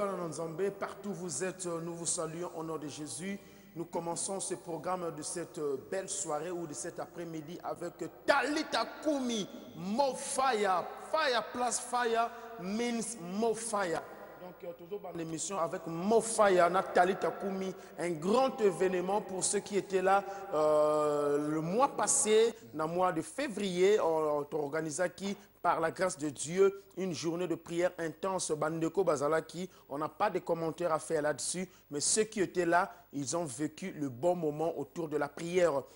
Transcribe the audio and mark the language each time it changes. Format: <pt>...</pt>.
<fr>Zambé, partout où vous êtes, nous vous saluons au nom de Jésus. Nous commençons ce programme de cette belle soirée ou de cet après-midi avec Talita Kumi,</fr> <en>more fire. Fire plus fire means more fire.</en> <fr>Donc, toujours dans l'émission avec</fr> <en>more fire,</en> <fr>Talita Kumi, un grand événement pour ceux qui étaient là le mois passé, dans le mois de février, on organisa qui par la grâce de Dieu, une journée de prière intense.</fr> <ln>Bandeko Bazalaki,</ln> <fr>on n'a pas de commentaires à faire là-dessus, mais ceux qui étaient là, ils ont vécu le bon moment autour de la prière.</fr>